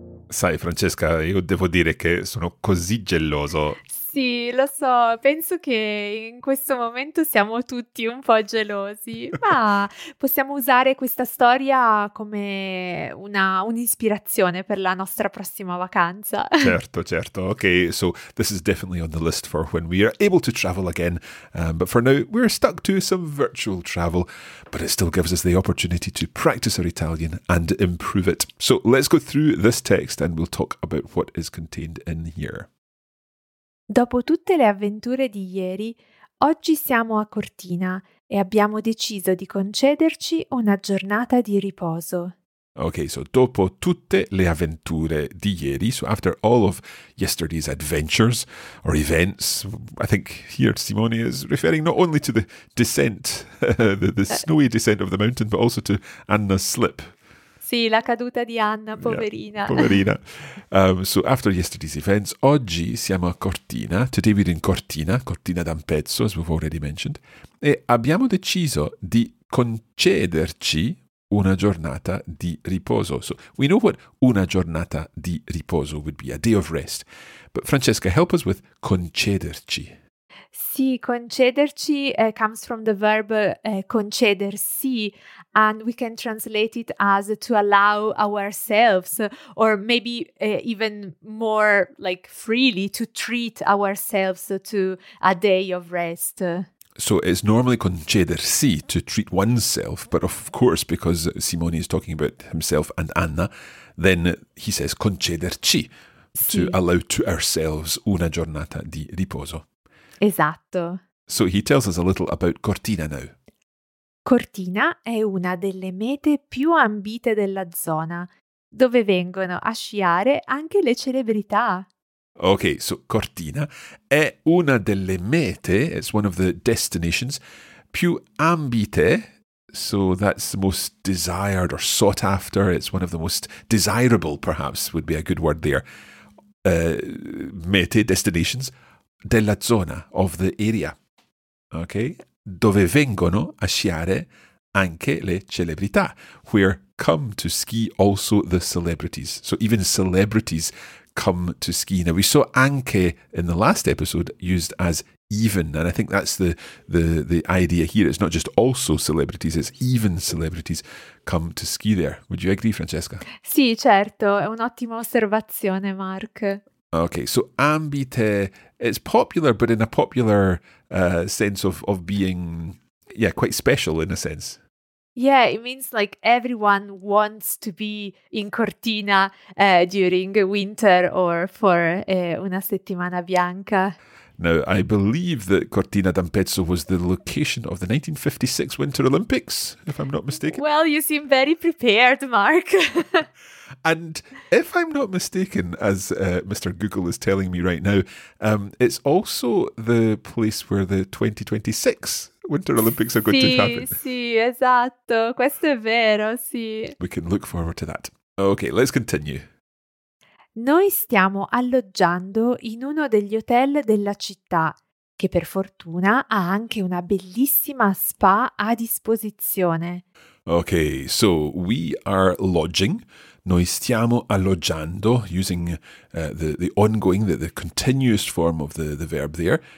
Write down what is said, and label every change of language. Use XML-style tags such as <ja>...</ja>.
<it>Sai, Francesca, io devo dire che sono così geloso. Sì, lo so, penso che in questo momento siamo tutti un po' gelosi, ma possiamo usare questa storia come un'ispirazione per la nostra prossima vacanza. Certo, certo.</it> <en>Okay, so this is definitely on the list for when we are able to travel again. But for now, we're stuck to some virtual travel, but it still gives us the opportunity to practice our Italian and improve it. So let's go through this text and we'll talk about what is contained in here.</en> <it>Dopo tutte le avventure di ieri, oggi siamo a Cortina e abbiamo deciso di concederci una giornata di riposo.</it> <en>Okay, so</en> <it>dopo tutte le avventure di ieri,</it> <en>so after all of yesterday's adventures or events, I think here Simone is referring not only to the descent, the snowy descent of the mountain, but also to Anna's slip.</en> <it>Sì, la caduta di Anna, poverina.</it> <en>Yeah,</en> <it>poverina.</it> <en>So after yesterday's events,</en> <it>oggi siamo a Cortina.</it> <en>Today we're in Cortina, Cortina d'Ampezzo, as we've already mentioned.</en> <it>E abbiamo deciso di concederci una giornata di riposo.</it> <en>So we know what</en> <it>una giornata di riposo</it> <en>would be, a day of rest. But Francesca, help us with concederci. Sì, concederci comes from the verb concedersi, and we can translate it as to allow ourselves, or maybe even more like freely, to treat ourselves to a day of rest. So it's normally concedersi, to treat oneself, but of course, because Simone is talking about himself and Anna, then he says concederci, to allow to ourselves</en> <it>una giornata di riposo. Esatto.</it> <en>So he tells us a little about Cortina now.</en> <it>Cortina è una delle mete più ambite della zona, dove vengono a sciare anche le celebrità.</it> <en>Ok, so</en> <it>Cortina è una delle mete,</it> <en>it's one of the destinations,</en> <it>più ambite,</it> <en>so that's the most desired or sought after, it's one of the most desirable, perhaps, would be a good word there, mete, destinations,</en> <it>della zona,</it> <en>of the area, ok?</en> <it>Dove vengono a sciare anche le celebrità,</it> <en>where come to ski also the celebrities. So even celebrities come to ski. Now we saw anche in the last episode used as even, and I think that's the idea here. It's not just also celebrities, it's even celebrities come to ski there. Would you agree, Francesca?</en> <it>Sì, certo, è un'ottima osservazione, Mark.</it> <en>Okay, so ambite, it's popular, but in a popular sense of being, yeah, quite special in a sense. Yeah, it means like everyone wants to be in Cortina during winter or for</en> <it>una settimana bianca.</it> <en>Now, I believe that Cortina d'Ampezzo was the location of the 1956 Winter Olympics, if I'm not mistaken. Well, you seem very prepared, Mark. And if I'm not mistaken, as Mr. Google is telling me right now, it's also the place where the 2026 Winter Olympics are going to happen.</en> <it>Sì, esatto. Questo è vero, sì.</it> <en>We can look forward to that. Okay, let's continue.</en> <it>Noi stiamo alloggiando in uno degli hotel della città, che per fortuna ha anche una bellissima spa a disposizione.</it> <en>Okay, so we are lodging.</en> <it>Noi stiamo alloggiando,</it> <en>using the ongoing, the continuous form of the verb there.</en>